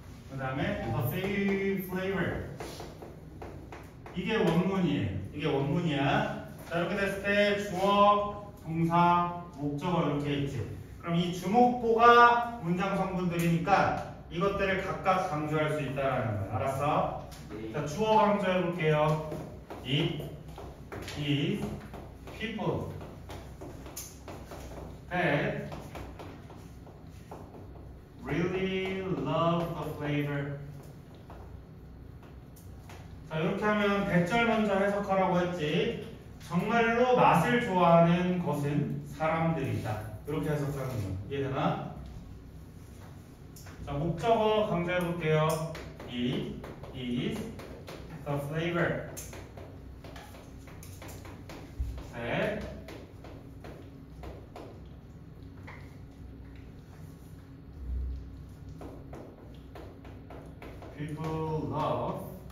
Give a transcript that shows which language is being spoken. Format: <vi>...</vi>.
<ko>그다음에</ko> <en>the flavor.</en> <ko>이게 원문이에요. 이게 원문이야. 자, 이렇게 됐을 때 주어 동사, 목적어 이렇게 있지. 그럼 이 주목보가 문장 성분들이니까 이것들을 각각 강조할 수 있다는 거야. 알았어? 네. 자, 주어 강조해 볼게요.</ko> <en>It is people that really love the flavor.</en> <ko>자, 이렇게 하면 대절 먼저 해석하라고 했지. 정말로 맛을 좋아하는 것은 사람들이다. 이렇게 해석하는 거. 이해되나? 자, 목적어 강조해 볼게요.</ko> <en>It is the flavor that people love.</en>